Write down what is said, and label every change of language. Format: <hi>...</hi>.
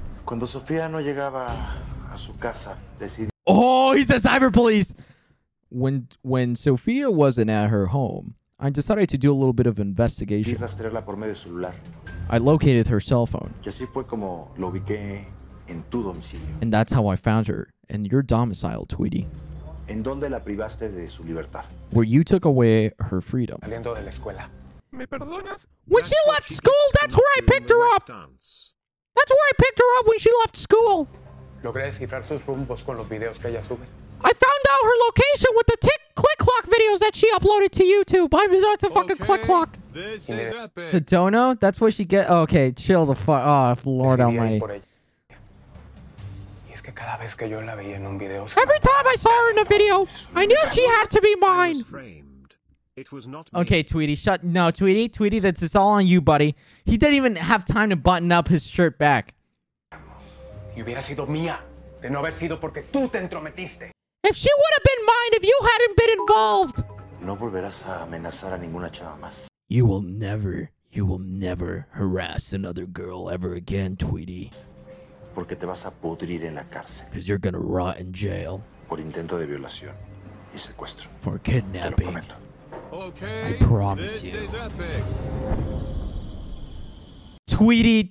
<es>Cuando Sofía no llegaba a su casa, decidí...</es> <en>Oh, he's a cyber police! When Sofía wasn't at her home, I decided to do a little bit of investigation.</en> <es>Rastrearla por medio celular.</es> <en>I located her cell phone.</en> <es>Y así fue como lo ubiqué en tu domicilio.</es> <en>And that's how I found her, in your domicile, Tweety.</en> <es>¿En dónde la privaste de su libertad?</es> <en>Where you took away her freedom.</en> <es>Saliendo de la escuela. ¿Me perdonas?</es> <en>When she left school, that's where I picked her up. That's where I picked her up when she left school. I found out her location with the tick click clock videos that she uploaded to YouTube. I'm not the fucking click clock. The dono? That's what she get. Okay, chill the fuck. Oh, Lord Almighty. Every time I saw her in a video, I knew she had to be mine. It was not me. Okay, Tweety, shut. No, Tweety, this is all on you, buddy. He didn't even have time to button up his shirt back. If she would have been mine if you hadn't been involved.</en> <es>No volverás a amenazar a ninguna chava más.</es> <en>You will never harass another girl ever again, Tweety.</en> <es>Porque te vas a pudrir en la cárcel.</es> <en>Because you're gonna rot in jail.</en> <es>Por intento de violación y secuestro.</es> <en>For kidnapping.</en> <es>Te lo prometo.</es> <en>Okay, I promise this you. Is epic.</en>